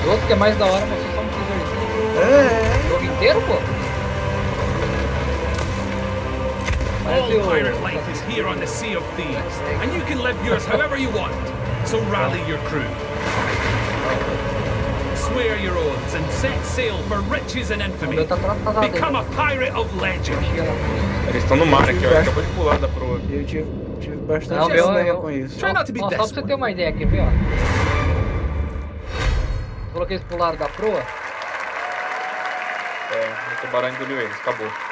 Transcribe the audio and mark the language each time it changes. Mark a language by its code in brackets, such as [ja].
[pt] Os outros que é mais da hora, mas só um teaserzinho. É. O jogo inteiro, pô. [en] All pirate life is here on the Sea of Thieves, and you can live yours however you want, so rally your crew. Swear your oaths and set sail for riches and infamy. Become a pirate of legend. [pt] Eles estão no mar aqui, eu acabei de pular da proa. Eu tive bastante problema com isso. [en] Try not to be desperate. [pt] Só pra você ter uma ideia aqui, viu? Coloquei eles pro lado da proa. O tubarão engoliu eles, acabou.